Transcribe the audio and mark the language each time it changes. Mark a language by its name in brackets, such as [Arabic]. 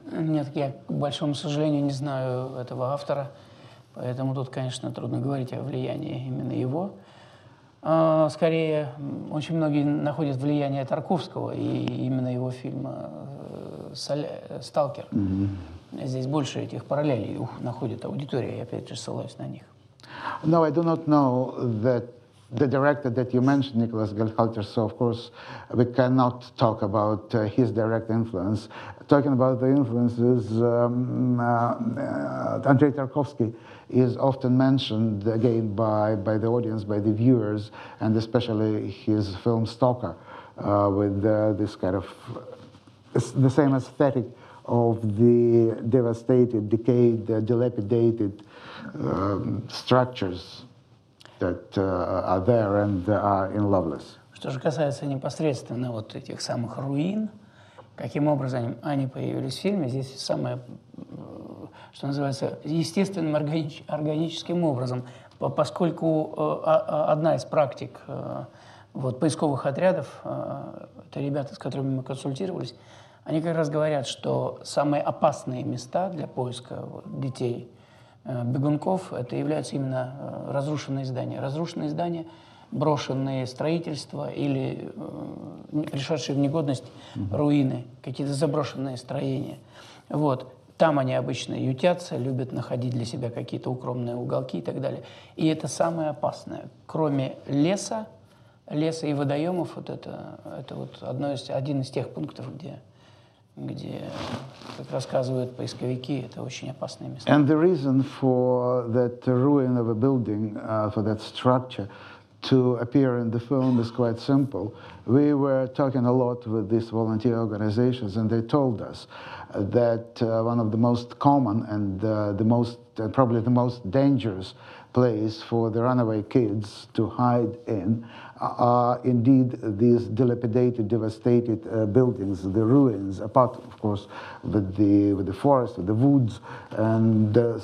[Russian] Нет, я, к большому сожалению, не знаю этого автора, поэтому тут, конечно, трудно говорить о влиянии именно его. Скорее, очень многие находят влияние Тарковского и именно его фильма «Сталкер». Mm-hmm. Здесь больше этих параллелей находит аудитория, я опять же ссылаюсь на них. [English] No, I do not know that the director that you mentioned, Niklas Gerhalter, so of course we cannot talk about his direct influence. Talking about the influences, Andrei Tarkovsky is often mentioned again by the audience, by the viewers, and especially his film Stalker, with this kind of the same aesthetic of the devastated, decayed, dilapidated structures that are there and are in Loveless. [Russian] Что же касается непосредственно вот этих самых руин, каким образом они появились в фильме, здесь самое, что называется, естественным органическим образом, поскольку одна из практик вот, поисковых отрядов, это ребята, с которыми мы консультировались, они как раз говорят, что самые опасные места для поиска детей, бегунков, это являются именно разрушенные здания. Разрушенные здания, брошенные строительства или пришедшие в негодность руины, какие-то заброшенные строения. Вот. Там они обычно ютятся, любят находить для себя какие-то укромные уголки и так далее. И это самое опасное. Кроме леса, леса и водоемов, вот это вот одно из, один из тех пунктов, где, как рассказывают поисковики, это очень опасные места. [English] And the reason for that ruin of a building, for that structure, to appear in the film is quite simple. We were talking a lot with these volunteer organizations, and they told us that one of the most common and the most, probably the most dangerous place for the runaway kids to hide in are indeed these dilapidated, devastated buildings, the ruins, apart, of course, with the forest, with the woods, and